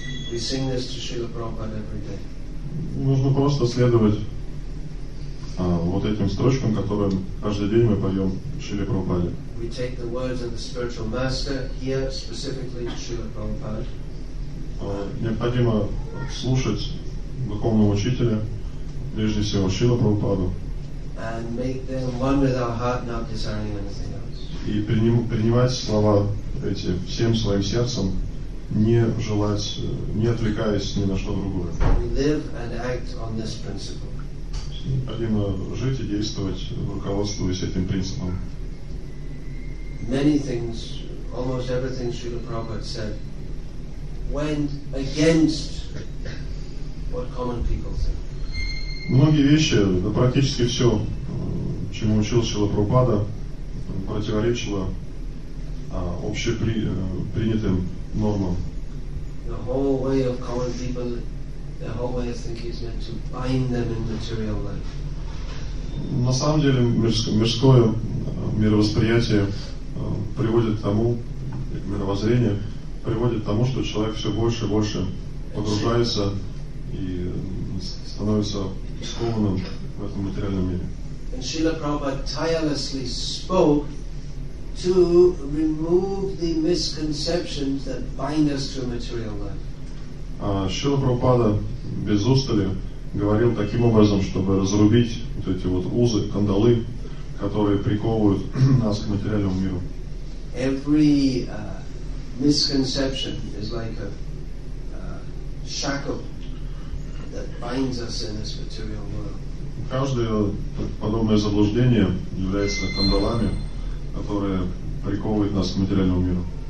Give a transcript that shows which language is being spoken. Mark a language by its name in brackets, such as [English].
[English] We sing this to Srila Prabhupada every day. [Russian] Нужно просто следовать вот этим строчкам, которые каждый день мы поем Шриле Прабхупаде. [English] We take the words of the spiritual master here specifically to Srila Prabhupada. [Russian] Необходимо слушать духовного учителя, прежде всего Шрилу Прабхупаду. [English] And make them one with our heart, not desiring anything else. [Russian] И принимать слова эти всем своим сердцем, не желать, не отвлекаясь ни на что другое. [English] We live and act on this principle. [Russian] Необходимо жить и действовать, руководствуясь этим принципом. [English] Many things, almost everything Srila Prabhupada said, went against what common people think. [Russian] Многие вещи, да практически все, чему учил Шрила Прабхупада, противоречило общепринятым нормам. [English] The whole way of common people, the whole way of thinking is meant to bind them in material life. [Russian] На самом деле, мирское мировосприятие приводит к тому, мировоззрение приводит к тому, что человек все больше и больше погружается и становится скованным в этом материальном мире. [English] And Srila Prabhupada tirelessly spoke to remove the misconceptions that bind us to material life. [Russian] Шрила Прабхупада без устали говорил таким образом, чтобы разрубить вот эти вот узы, кандалы, которые приковывают нас к материальному миру. [English] Every misconception is like a shackle that binds us in this material world. [Russian] Каждое подобное заблуждение является кандалами, которые приковывают нас к материальному миру.